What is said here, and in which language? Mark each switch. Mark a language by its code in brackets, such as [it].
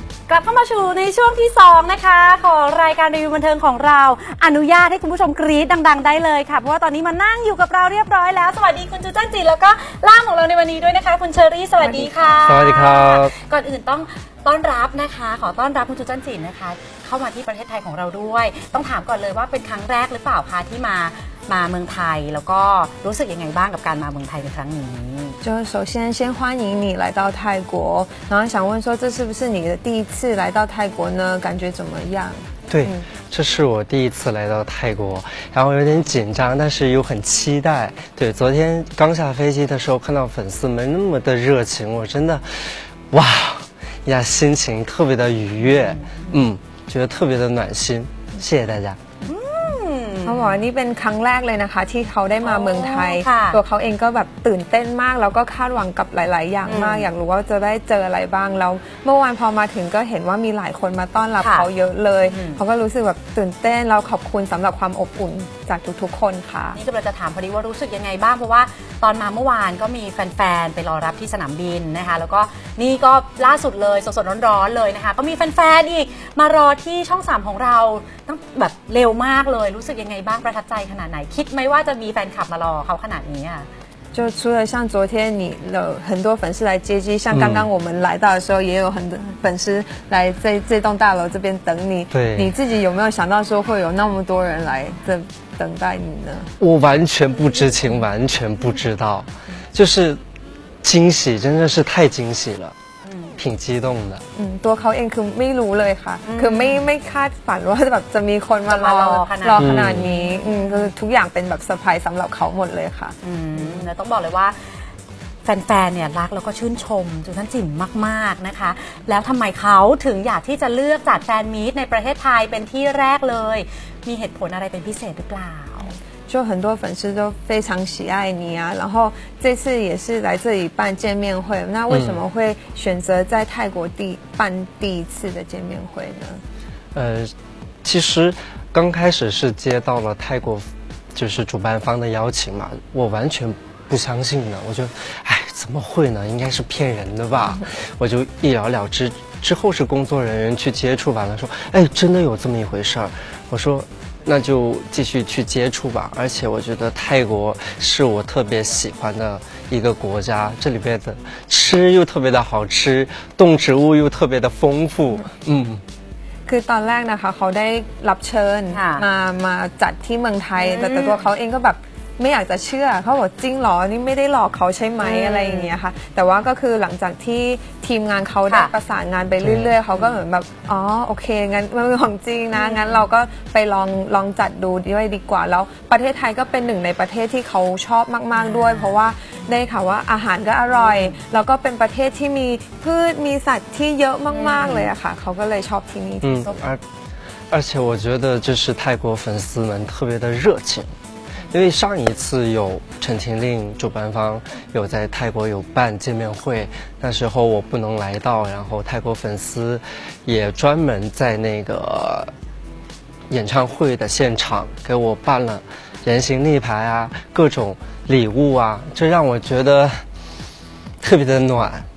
[th] กลับเข้ามาชูในช่วงที่2นะคะของรายการรีวิวบันเทิงของเราอนุญาตให้คุณผู้ชมกรี๊ดดังๆได้เลยค่ะเพราะว่าตอนนี้มานั่งอยู่กับเราเรียบร้อยแล้วสวัสดีคุณจูจันจีแล้วก็ล่ามของเราในวันนี้ด้วยนะคะคุณเชอรี่สวัสดีค่ะ สวัสดีครับ ก่อนอื่นต้องต้อนรับนะคะขอต้อนรับคุณจูจันจีนะคะเข้ามาที่ประเทศไทยของเราด้วยต้องถามก่อนเลยว่าเป็นครั้งแรกหรือเปล่าคะที่มาเมืองไทยแล้วก็รู้สึกยังไงบ้างกับการมาเมืองไทยในครั้งนี้ [zh] 就首先先欢迎你来到泰国然后想问说这是不是你的第一次来到泰国呢感觉怎么样对、这是我第一次来到泰国然后有点紧张但是又很期待对昨天刚下飞机的时候看到粉丝们那么的热情我真的哇呀心情特别的愉悦 觉得特别的暖心谢谢大家 [th] เขาบอกว่านี่เป็นครั้งแรกเลยนะคะที่เขาได้มาเมืองไทยตัวเขาเองก็แบบตื่นเต้นมากแล้วก็คาดหวังกับหลายๆอย่างมากอยากรู้ว่าจะได้เจออะไรบ้างแล้วเมื่อวานพอมาถึงก็เห็นว่ามีหลายคนมาต้อนรับเขาเยอะเลยเขาก็รู้สึกแบบตื่นเต้นแล้วขอบคุณสำหรับความอบอุ่นจากทุกๆคนค่ะ นี่กำลังจะถามพอดีว่ารู้สึกยังไงบ้างเพราะว่าตอนมาเมื่อวานก็มีแฟนๆไปรอรับที่สนามบินนะคะแล้วก็นี่ก็ล่าสุดเลยสดๆร้อนๆเลยนะคะก็มีแฟนๆอีกมารอที่ช่อง3ของเราต้องแบบเร็วมากเลยรู้สึกยังไงบ้างประทับใจขนาดไหนคิดไหมว่าจะมีแฟนคลับมารอเขาขนาดนี้อ่ะ [zh] 就除了像昨天你的很多粉丝来接机，像刚刚我们来到的时候，也有很多粉丝来在这栋大楼这边等你。对，你自己有没有想到说会有那么多人来这等待你呢？我完全不知情，完全不知道，就是惊喜，真的是太惊喜了。挺激动的 [th] 嗯ตัวเขาเองคือไม่รู้เลยค่ะคือไม่คาดฝันว่าแบบจะมีคนมารอขนาดนี้คือทุกอย่างเป็นแบบเซอร์ไพรส์สําหรับเขาหมดเลยค่ะ ต้องบอกเลยว่าแฟนๆเนี่ยรักแล้วก็ชื่นชมจูจันจินมากๆนะคะแล้วทําไมเขาถึงอยากที่จะเลือกจัดแฟนมีทในประเทศไทยเป็นที่แรกเลยมีเหตุผลอะไรเป็นพิเศษหรือเปล่า [zh] 就很多粉丝都非常喜爱你啊然后这次也是来这里办见面会那为什么会选择在泰国办第一次的见面会呢其实刚开始是接到了泰国就是主办方的邀请嘛我完全不相信呢我就哎怎么会呢应该是骗人的吧我就一了了之之后是工作人员去接触完了说哎真的有这么一回事儿我说那就继续去接触吧而且我觉得泰国是我特别喜欢的一个国家这里边的吃又特别的好吃动植物又特别的丰富 [th] คือตอนแรกนะคะเขาได้รับเชิญมาจัดที่เมืองไทยแต่ตัวเขาเองก็แบบไม่อยากจะเชื่อเขาบอกจริงหรอนี่ไม่ได้หลอกเขาใช่ไหม อะไรอย่างเงี้ยค่ะแต่ว่าก็คือหลังจากที่ทีมงานเขาได้ประสานงานไปเรื่อยๆเขาก็เหมือนแบบอ๋อโอเคงั้นมันเป็นของจริงนะงั้นเราก็ไป ลองจัดดูด้วยดีกว่าแล้วประเทศไทยก็เป็นหนึ่งในประเทศที่เขาชอบมากๆด้วยเพราะว่าได้ค่ะว่าอาหารก็อร่อยแล้วก็เป็นประเทศที่มีพืชมีสัตว์ที่เยอะมากๆเลยอะค่ะเขาก็เลยชอบที่นี่ที่สุด [zh] 而且我觉得就是泰国粉丝们特别的热情因为上一次有陈情令主办方有在泰国有办见面会那时候我不能来到然后泰国粉丝也专门在那个演唱会的现场给我办了人形立牌啊各种礼物啊这让我觉得特别的暖